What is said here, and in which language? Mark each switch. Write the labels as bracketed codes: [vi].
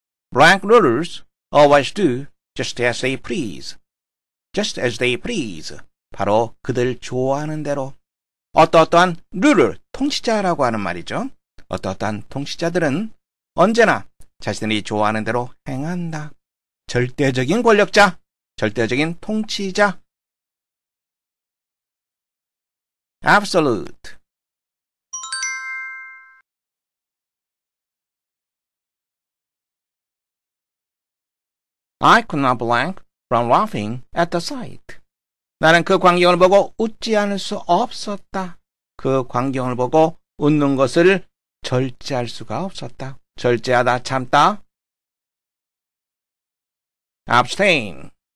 [en] 블랭크 rulers always do just as they please. Just as they please. [ko] 바로 그들 좋아하는 대로. 어떠어떠한 ruler, 통치자라고 하는 말이죠. 어떠어떠한 통치자들은 언제나 자신들이 좋아하는 대로 행한다. 절대적인 권력자, 절대적인 통치자. [en] absolute. I could not blank from laughing at the sight. [ko] 나는 그 광경을 보고 웃지 않을 수 없었다. 그 광경을 보고 웃는 것을 절제할 수가 없었다. 절제하다, 참다. [en] abstain.